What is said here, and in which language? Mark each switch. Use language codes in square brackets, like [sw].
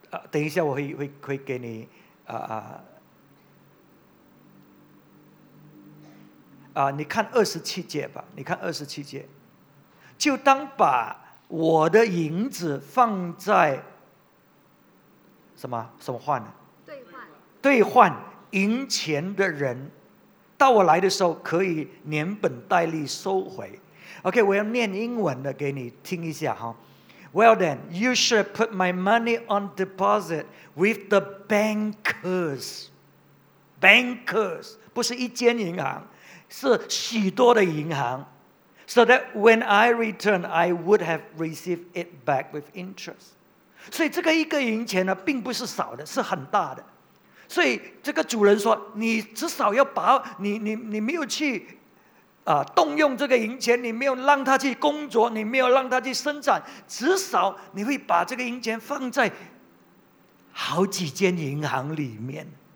[zh] 等一下我会给你你看二十七节吧，你看二十七节，就当把我的银子放在什么换呢？兑换银钱的人，到我来的时候可以连本带利收回。 OK， 我要念英文的给你听一下哈。 [en] Well then, you should put my money on deposit with the bankers. [zh] Bankers 不是一间银行，是许多的银行。 [en] So that when I return, I would have received it back with interest. [zh] 所以这个一个银钱呢，并不是少的，是很大的。所以这个主人说，你至少要把你没有去动用这个银钱，你没有让他去工作，你没有让他去生产，至少你会把这个银钱放在好几间银行里面。